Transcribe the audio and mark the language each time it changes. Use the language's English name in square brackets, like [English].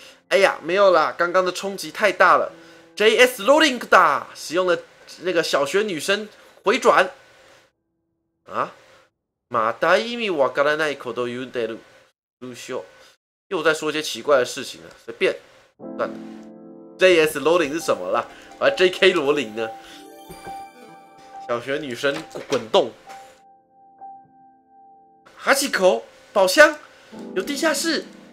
[Chinese] 哎呀，没有啦，刚刚的冲击太大了。JS Rolling 的使用了那个小学女生回转。啊？ [Japanese] また意味わからないこと言うてる。どうしよう。 [Chinese] 又在说一些奇怪的事情了，随便，算了。 J.S. 罗琳是什么啦？还 J.K. 罗琳呢？小学女生滚动。哈气口宝箱，有地下室。